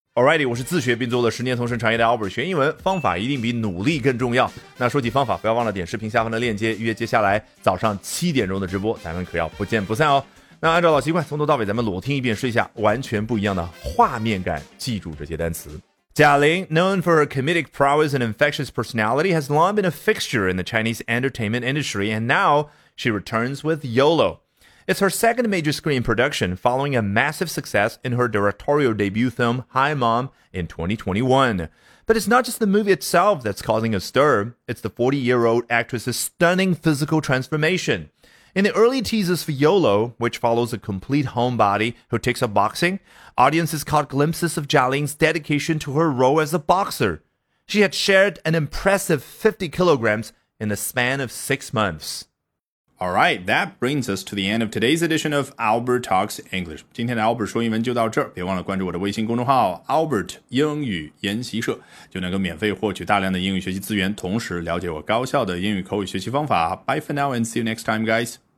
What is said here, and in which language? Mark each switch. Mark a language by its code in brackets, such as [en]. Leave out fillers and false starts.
[zh] Alrighty， 我是自学并做了10年同声传译的 Albert， 学英文方法一定比努力更重要。那说起方法，不要忘了点视频下方的链接预约接下来早上7点的直播，咱们可要不见不散哦。那按照老习惯，从头到尾咱们裸听一遍，试一下完全不一样的画面感，记住这些单词。 [en] 贾玲 known for her comedic prowess and infectious personality, has long been a fixture in the Chinese entertainment industry, and now she returns with YOLO. It's her second major screen production, following a massive success in her directorial debut film Hi Mom in 2021. But it's not just the movie itself that's causing a stir, it's the 40-year-old actress's stunning physical transformation. In the early teasers for YOLO, which follows a complete homebody who takes up boxing,Audiences caught glimpses of Jialin's dedication to her role as a boxer. She had shared an impressive 50 kilograms in the span of 6 months. All right, that brings us to the end of today's edition of Albert Talks English. [zh] 今天的 Albert 说英文就到这儿，别忘了关注我的微信公众号 Albert 英语研习社，就能够免费获取大量的英语学习资源，同时了解我高效的英语口语学习方法。 [en] Bye for now and see you next time, guys.